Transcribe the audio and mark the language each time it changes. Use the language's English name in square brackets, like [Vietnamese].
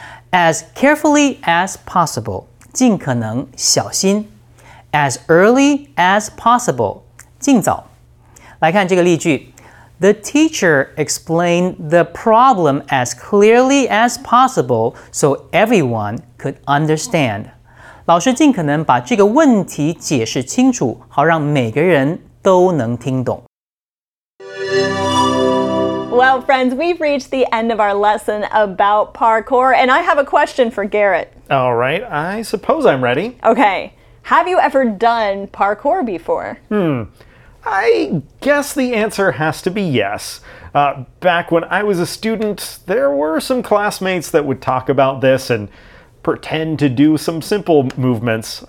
[English] As carefully as possible, [Chinese] 尽可能小心。 [English] As early as possible, [Chinese] 尽早。来看这个例句。 [English] The teacher explained the problem as clearly as possible so everyone could understand. [Chinese] 老师尽可能把这个问题解释清楚，好让每个人都能听懂。 [English] Well, friends, we've reached the end of our lesson about parkour, and I have a question for Garrett. All right, I suppose I'm ready. Okay, have you ever done parkour before? I guess the answer has to be yes. Back when I was a student, there were some classmates that would talk about this and pretend to do some simple movements.